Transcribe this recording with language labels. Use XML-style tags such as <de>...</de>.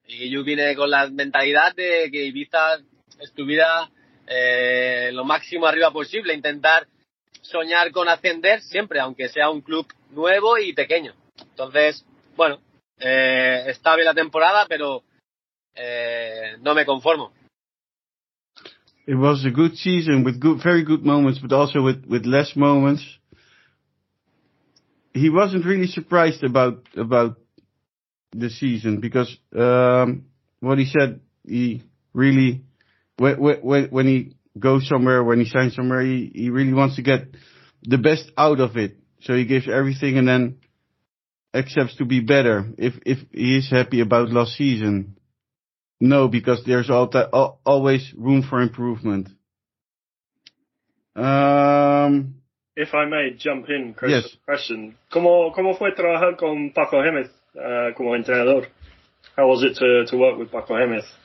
<es>Y yo vine con la mentalidad de que Ibiza estuviera lo máximo arriba posible. Intentar soñar con ascender siempre, aunque sea un club nuevo y pequeño. Entonces, bueno, está bien la temporada, pero no me conformo.</es> <en>It was a good season with good, very good moments, but also with less moments. He wasn't really surprised about the season because what he said, he really, when he goes somewhere, when he signs somewhere, he really wants to get the best out of it. So he gives everything and then accepts to be better if he is happy about last season. No, because there's always room for improvement. If I may jump in, Chris. Yes. Question.</en> <es>¿Cómo fue trabajar con Paco Gémez como entrenador?</es> <en>How was it to work with Paco Gémez?</en>